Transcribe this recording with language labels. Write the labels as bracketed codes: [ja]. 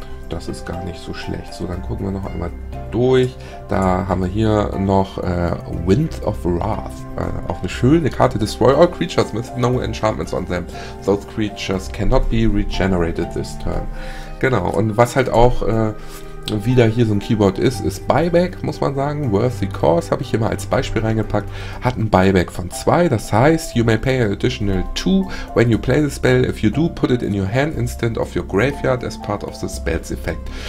[de] das ist gar nicht so schlecht. So, dann gucken wir noch einmal durch. Da haben wir hier noch Winds of Wrath. Auch eine schöne Karte. [en] Destroy all creatures with no enchantments on them. Those creatures cannot be regenerated this turn. [de] Genau, und was halt auch wieder hier so ein Keyword ist, ist Buyback, muss man sagen. Worthy Cause habe ich hier mal als Beispiel reingepackt. Hat ein Buyback von 2, das heißt, [en] you may pay an additional 2 when you play the spell. If you do, put it in your hand instead of your graveyard as part of the spell's effect.